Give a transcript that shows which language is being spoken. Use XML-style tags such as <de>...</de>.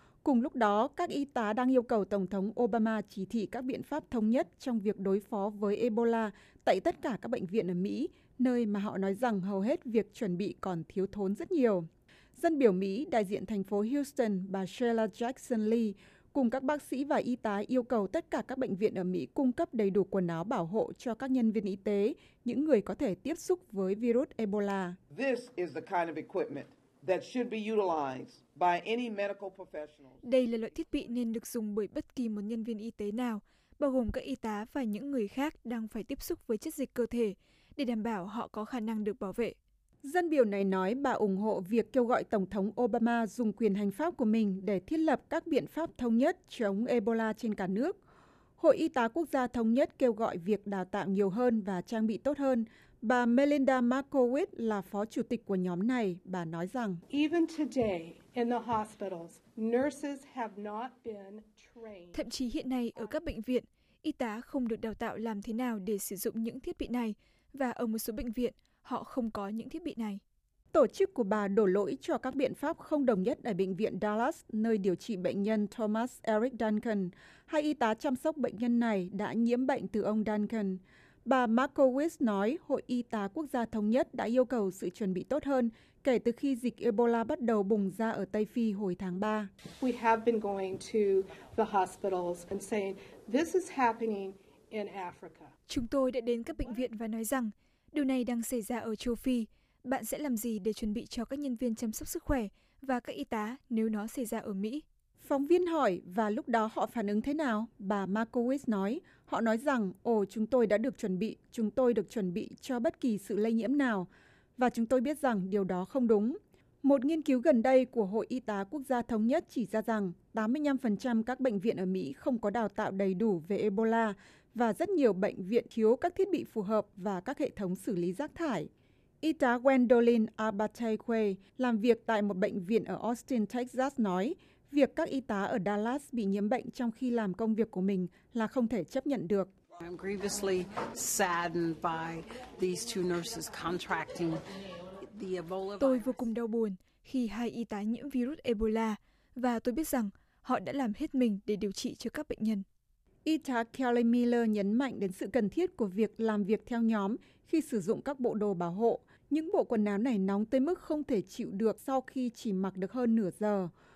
<vi>Cùng lúc đó, các y tá đang yêu cầu Tổng thống Obama chỉ thị các biện pháp thống nhất trong việc đối phó với Ebola tại tất cả các bệnh viện ở Mỹ, nơi mà họ nói rằng hầu hết việc chuẩn bị còn thiếu thốn rất nhiều. Dân biểu Mỹ, đại diện thành phố Houston, bà Sheila Jackson Lee, cùng các bác sĩ và y tá yêu cầu tất cả các bệnh viện ở Mỹ cung cấp đầy đủ quần áo bảo hộ cho các nhân viên y tế, những người có thể tiếp xúc với virus Ebola.</vi> <en>This is the kind of equipment that should be utilized by any medical professional.</en> <vi>Đây là loại thiết bị nên được dùng bởi bất kỳ một nhân viên y tế nào, bao gồm các y tá và những người khác đang phải tiếp xúc với chất dịch cơ thể, để đảm bảo họ có khả năng được bảo vệ. Dân biểu này nói bà ủng hộ việc kêu gọi Tổng thống Obama dùng quyền hành pháp của mình để thiết lập các biện pháp thống nhất chống Ebola trên cả nước. Hội Y tá Quốc gia Thống nhất kêu gọi việc đào tạo nhiều hơn và trang bị tốt hơn. Bà Melinda Markowitz là phó chủ tịch của nhóm này. Bà nói rằng,</vi> <en>even today in the hospitals, nurses have not been trained.</en> <vi>Thậm chí hiện nay ở các bệnh viện, y tá không được đào tạo làm thế nào để sử dụng những thiết bị này, và ở một số bệnh viện, họ không có những thiết bị này. Tổ chức của bà đổ lỗi cho các biện pháp không đồng nhất ở Bệnh viện Dallas, nơi điều trị bệnh nhân Thomas Eric Duncan. Hai y tá chăm sóc bệnh nhân này đã nhiễm bệnh từ ông Duncan. Bà Markowitz nói Hội Y tá Quốc gia Thống nhất đã yêu cầu sự chuẩn bị tốt hơn kể từ khi dịch Ebola bắt đầu bùng ra ở Tây Phi hồi tháng 3.</vi> <en>We have been going to the hospitals and saying this is happening in Africa.</en> <vi>Chúng tôi đã đến các bệnh viện và nói rằng điều này đang xảy ra ở châu Phi. Bạn sẽ làm gì để chuẩn bị cho các nhân viên chăm sóc sức khỏe và các y tá nếu nó xảy ra ở Mỹ? Phóng viên hỏi, và lúc đó họ phản ứng thế nào? Bà Markowitz nói, họ nói rằng, ồ, chúng tôi đã được chuẩn bị, chúng tôi được chuẩn bị cho bất kỳ sự lây nhiễm nào, và chúng tôi biết rằng điều đó không đúng. Một nghiên cứu gần đây của Hội Y tá Quốc gia Thống nhất chỉ ra rằng 85% các bệnh viện ở Mỹ không có đào tạo đầy đủ về Ebola và rất nhiều bệnh viện thiếu các thiết bị phù hợp và các hệ thống xử lý rác thải. Y tá Gwendolyn Abatekwe làm việc tại một bệnh viện ở Austin, Texas nói, việc các y tá ở Dallas bị nhiễm bệnh trong khi làm công việc của mình là không thể chấp nhận được.</vi> <en>I'm grievously saddened by these two nurses contracting the Ebola virus.</en> <vi>Tôi vô cùng đau buồn khi hai y tá nhiễm virus Ebola và tôi biết rằng họ đã làm hết mình để điều trị cho các bệnh nhân. Y tá Kelly Miller nhấn mạnh đến sự cần thiết của việc làm việc theo nhóm khi sử dụng các bộ đồ bảo hộ. Những bộ quần áo này nóng tới mức không thể chịu được sau khi chỉ mặc được hơn nửa giờ.</vi>